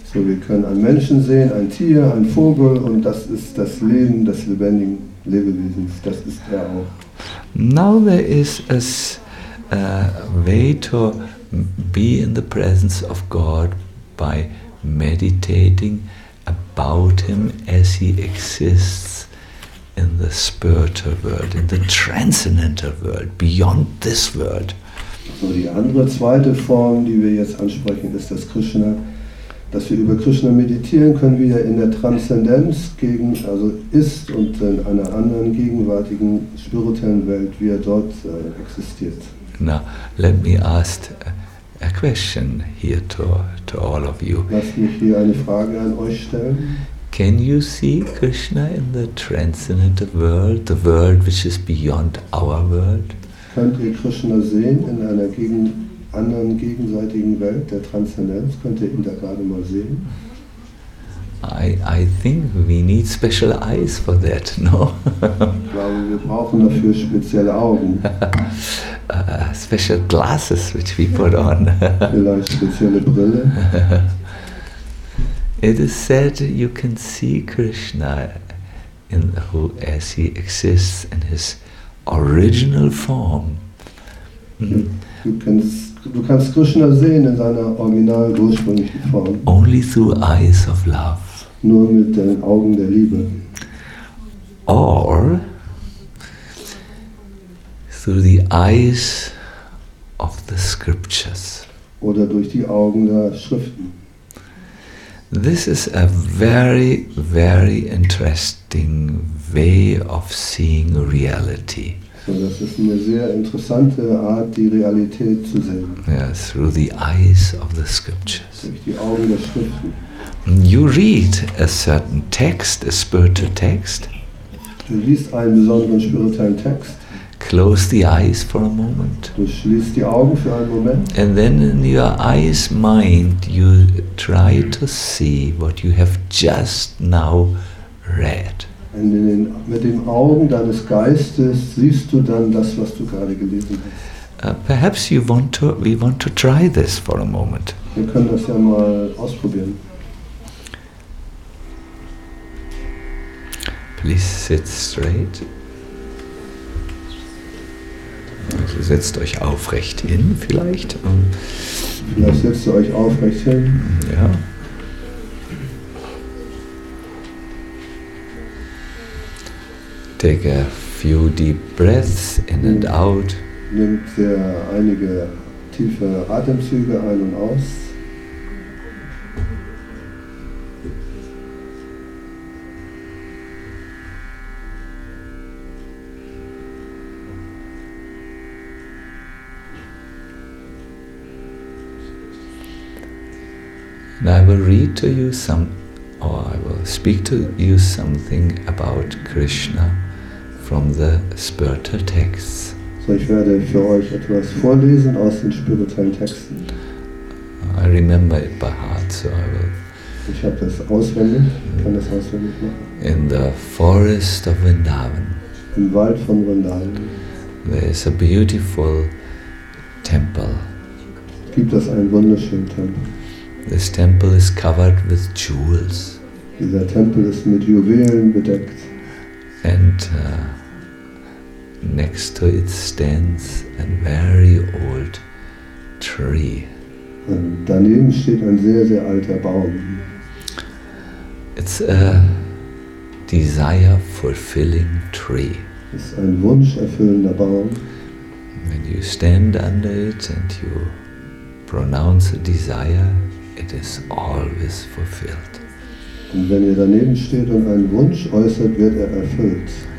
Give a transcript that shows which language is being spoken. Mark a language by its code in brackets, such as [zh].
[de] So wir können einen Menschen sehen, ein Tier, ein Vogel, und das ist das Leben des lebendigen Lebewesens. Das ist er auch. [en] Now there is a way to be in the presence of God by meditating about him as he exists in the spiritual world, in the transcendental world, beyond this world. [de] So die andere, zweite Form, die wir jetzt ansprechen, ist das Krishna. Dass wir über Krishna meditieren können, wie er in der Transzendenz gegen, also ist und in einer anderen gegenwärtigen spirituellen Welt, wie er dort existiert. [en] Now, let me ask a question here to all of you. [de] Lass mich hier eine Frage an euch stellen. [en] Can you see Krishna in the transcendental world, the world which is beyond our world? [de] Könnt ihr Krishna sehen in einer gegenwärtigen anderen gegenseitigen Welt der Transzendenz, könnt ihr ihn da gerade mal sehen? [en] I think we need special eyes for that, no? [de] Ich glaube, wir brauchen dafür spezielle Augen. [en] Special glasses, which we put on. [de] Vielleicht spezielle Brille. [en] It is said you can see Krishna in who as he exists in his original form. [de] Du kannst Krishna sehen in seiner original ursprünglichen Form. [en] Only through eyes of love. [de] Nur mit den Augen der Liebe. [en] Or through the eyes of the scriptures. [de] Oder durch die Augen der Schriften. [en] This is a very, very interesting way of seeing reality. [de] Das ist eine sehr interessante Art, die Realität zu sehen. [en] Yeah, through the eyes of the scriptures. [de] Durch die Augen der Schriften. [en] You read a certain text, a spiritual text. [de] Du liest einen besonderen spirituellen Text. [en] Close the eyes for a moment. [de] Du schließt die Augen für einen Moment. [en] And then in your eyes mind you try to see what you have just now read. [de] Und mit den Augen deines Geistes siehst du dann das, was du gerade gelesen hast. [en] Perhaps we want to try this for a moment. [de] Wir können das ja mal ausprobieren. [en] Please sit straight. [de] Also setzt euch aufrecht hin vielleicht. Vielleicht setzt ihr euch aufrecht hin. Ja. [en] Take a few deep breaths in and out. [de] Nimmt sehr einige tiefe Atemzüge ein und aus. [en] And I will read to you some, or I will speak to you something about Krishna from the spiritual texts. [de] So ich werde für euch etwas vorlesen aus den spirituellen Texten. [en] I remember it by heart, so I will. [de] Ich habe das auswendig, kann das auswendig machen. [en] In the forest of Vrindavan. [de] Im Wald von Vrindavan. [en] There is a beautiful temple. [de] Gibt es einen wunderschönen Tempel? [en] This temple is covered with jewels. [de] Dieser Tempel ist mit Juwelen bedeckt. [en] And next to it stands a very old tree. [de] Und daneben steht ein sehr, sehr alter Baum. [en] It's a desire-fulfilling tree. [de] Es ist ein wunscherfüllender Baum. [en] When you stand under it and you pronounce a desire, it is always fulfilled. [de] Und wenn ihr daneben steht und einen Wunsch äußert, wird er erfüllt.